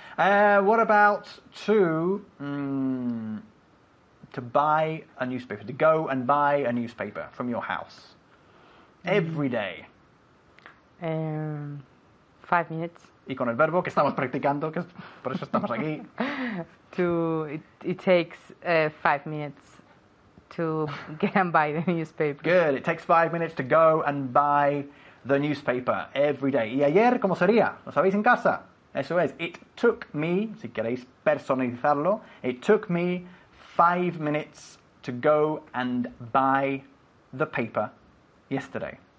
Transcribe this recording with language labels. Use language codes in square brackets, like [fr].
[en] What about to buy a newspaper, to go and buy a newspaper from your house every day? 5 minutes. [es] Y con el verbo que estamos practicando, que por eso estamos aquí. [en] It takes 5 minutes to get and buy the newspaper. Good. It takes 5 minutes to go and buy the newspaper every day. [es] ¿Y ayer cómo sería? ¿Lo sabéis en casa? Eso es. [en] It took me, [es] si queréis personalizarlo, [en] it took me 5 minutes to go and buy the paper yesterday.